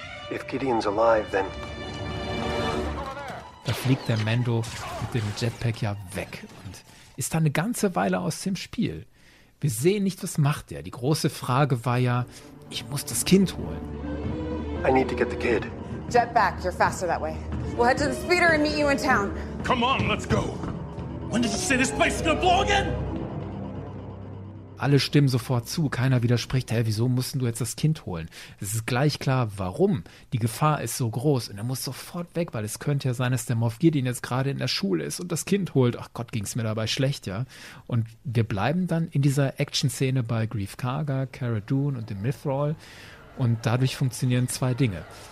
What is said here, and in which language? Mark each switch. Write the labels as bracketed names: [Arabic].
[English] If Gideon's alive, then... [German] Da fliegt der Mando mit dem Jetpack ja weg und ist da eine ganze Weile aus dem Spiel. Wir sehen nicht, was macht er. Die große Frage war ja, ich muss das Kind holen. [English] I need to get the kid. Jetpack, you're faster that way. We'll head to the speeder and meet you in town. Come on, let's go. When did you say this place is gonna blow again? [German] Alle stimmen sofort zu, keiner widerspricht, hä, wieso musst du jetzt das Kind holen? Es ist gleich klar, warum. Die Gefahr ist so groß und er muss sofort weg, weil es könnte ja sein, dass der Moff Gideon jetzt gerade in der Schule ist und das Kind holt. Ach Gott, ging es mir dabei schlecht, ja. Und wir bleiben dann in dieser Action-Szene bei Greef Karga, Cara Dune und dem Mithral und dadurch funktionieren zwei Dinge.